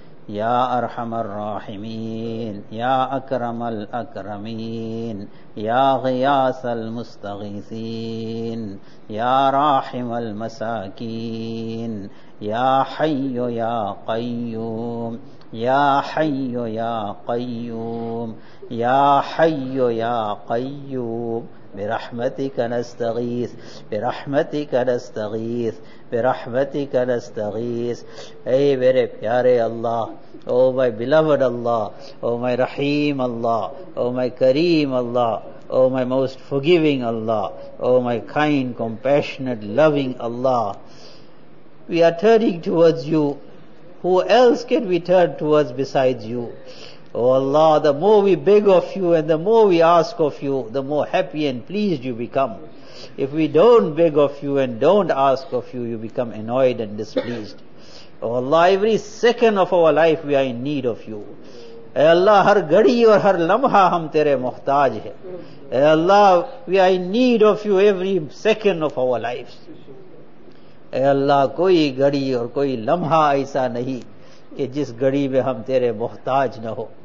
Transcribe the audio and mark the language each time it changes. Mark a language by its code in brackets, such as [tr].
[ar] يا أرحم الراحمين، يا أكرم الأكرمين، يا غياث المستغيثين، يا راحم المساكين، يا حي يا قيوم، يا حي يا قيوم، يا حي يا قيوم، برحمتك نستغيث، برحمتك نستغيث، برحمتك نستغيث. [ur] اے میرے پیارے اللہ، [en] Oh my beloved Allah, oh my رحیم Allah, oh my کریم Allah, oh my most forgiving Allah, oh my kind compassionate loving Allah, we are turning towards you. Who else can we turn towards besides you? Oh Allah, the more we beg of you and the more we ask of you, the more happy and pleased you become. If we don't beg of you and don't ask of you, you become annoyed and displeased. Oh Allah, every second of our life we are in need of you. [ur] Ay Allah, har ghadi aur har lamha hum tere muhtaj hai. [en] Ay Allah, we are in need of you every second of our lives. [ur] اے اللہ، کوئی گھڑی اور کوئی لمحہ ایسا نہیں کہ جس گھڑی میں ہم تیرے محتاج نہ ہو.